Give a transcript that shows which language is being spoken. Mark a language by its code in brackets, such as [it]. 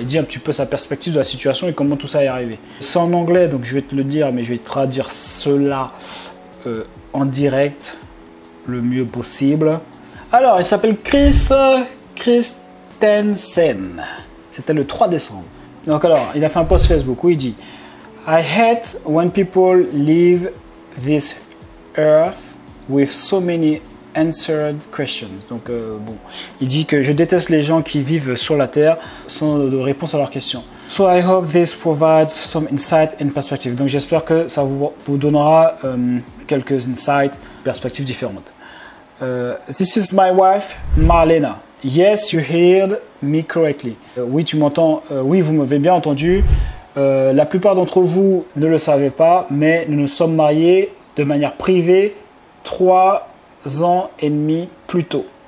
[fr] Il dit un petit peu sa perspective de la situation et comment tout ça est arrivé. C'est en anglais, donc je vais te le dire, mais je vais te traduire cela en direct le mieux possible. Alors, il s'appelle Chris Christensen. C'était le 3 décembre. Donc alors, il a fait un post Facebook où il dit [en] I hate when people leave this earth with so many answered questions. [fr] Donc, bon, il dit que je déteste les gens qui vivent sur la Terre sans de réponse à leurs questions. [en] So I hope this provides some insight and perspective. [fr] Donc, j'espère que ça vous donnera quelques insights, perspectives différentes. [en] This is my wife, Marlena. Yes, you heard me correctly. [fr] Oui, tu m'entends. Oui, vous m'avez bien entendu. La plupart d'entre vous ne le savez pas, mais nous nous sommes mariés de manière privée 3 ans et demi plus tôt.